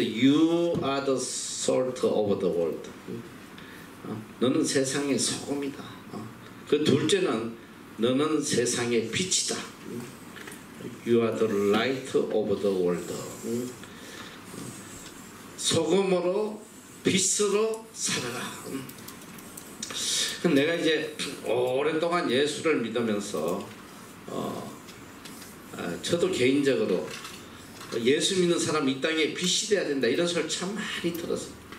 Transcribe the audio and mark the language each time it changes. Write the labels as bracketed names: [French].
[English] You are the salt of the world. [Korean] 너는 세상의 소금이다. 그 둘째는 너는 세상의 빛이다. [English] You are the light of the world. [Korean] 소금으로 빛으로 살아라. 내가 이제 오랫동안 예수를 믿으면서 저도 개인적으로 예수 믿는 사람이 이 땅에 빛이 돼야 된다 이런 소리를 참 많이 들었어요.